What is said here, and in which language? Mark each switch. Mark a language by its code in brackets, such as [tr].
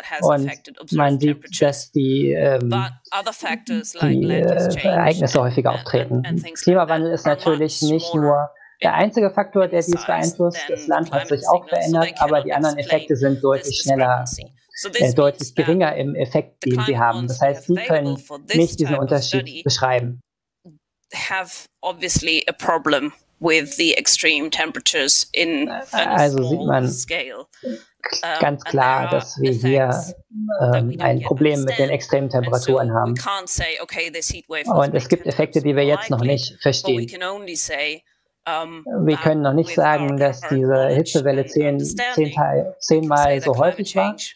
[de] Und man sieht, dass die, Ereignisse häufiger auftreten. Klimawandel ist natürlich nicht nur der einzige Faktor, der dies beeinflusst. Das Land hat sich auch verändert, aber die anderen Effekte sind deutlich schneller, deutlich geringer im Effekt, den sie haben. Das heißt, sie können nicht diesen Unterschied beschreiben. [en] Have obviously a problem with the extreme temperatures in a [de] also sieht man [en] scale. [de] Ganz klar, dass wir hier ein Problem mit den extremen Temperaturen haben. Und es gibt Effekte, die wir jetzt noch nicht verstehen. Wir können noch nicht sagen, dass diese Hitzewelle zehnmal so häufig war.